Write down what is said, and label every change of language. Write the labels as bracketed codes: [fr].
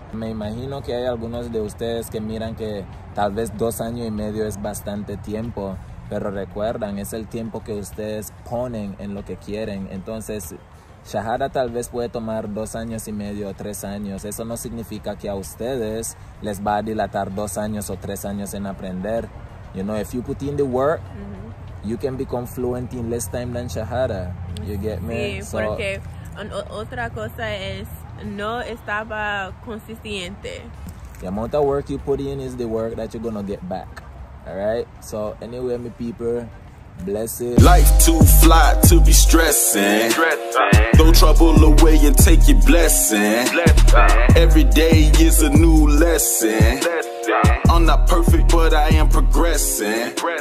[es] Me imagino que hay algunos de ustedes que miran que tal vez 2 años y medio es bastante tiempo. Pero recuerdan, es el tiempo que ustedes ponen en lo que quieren. Entonces, Shahada tal vez puede tomar 2 años y medio o 3 años. Eso no significa que a ustedes les va a dilatar 2 años o 3 años en aprender. [en] If you put in the work, you can become fluent in less time than Shahada. You get me? [es] Sí, [en] so, [es] porque otra cosa es, no estaba consistente. [en] The amount of work you put in is the work that you're gonna get back. Alright? So, anyway, my people, bless it. Life too fly to be stressing. Throw trouble away and take your blessing. Every day is a new lesson. I'm not perfect, but I am progressing.